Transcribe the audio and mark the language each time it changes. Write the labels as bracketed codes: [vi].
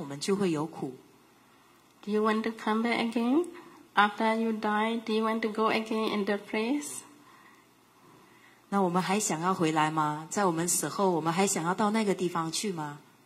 [zh] 那当时呢，佛陀就解释说，这个状况是非常苦的，它不是一种快乐的感受。它这个地方呢，要住在里面，其实也是很苦的。所以佛陀就解释说，只要我们有投生，我们就会有苦。Do [en] you want to come back again? After you die, do you want to go again in the place? [zh] 那我们还想要回来吗？在我们死后，我们还想要到那个地方去吗？